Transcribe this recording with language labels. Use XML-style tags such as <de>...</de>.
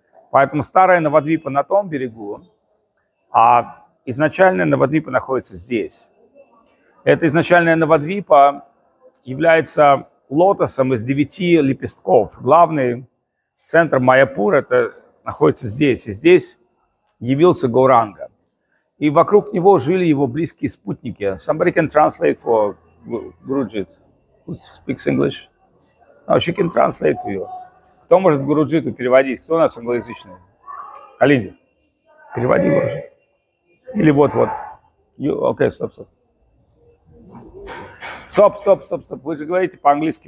<ru>Поэтому старая Навадвипа на том берегу, а изначальная Навадвипа находится здесь. Эта изначальная Навадвипа является лотосом из 9 лепестков. Главный центр Майяпур это находится здесь. И здесь явился Гауранга. И вокруг него жили его близкие спутники.</ru> <en>Somebody can translate for Гуруджит. Who speaks English? No, she can translate for you.</en> <ru>Кто может Гуруджиту переводить? Кто у нас англоязычный? Алиди, переводи, Гуруджи. Или вот-вот. Окей, стоп-стоп. Стоп-стоп-стоп-стоп. Вы же говорите по-английски.</ru>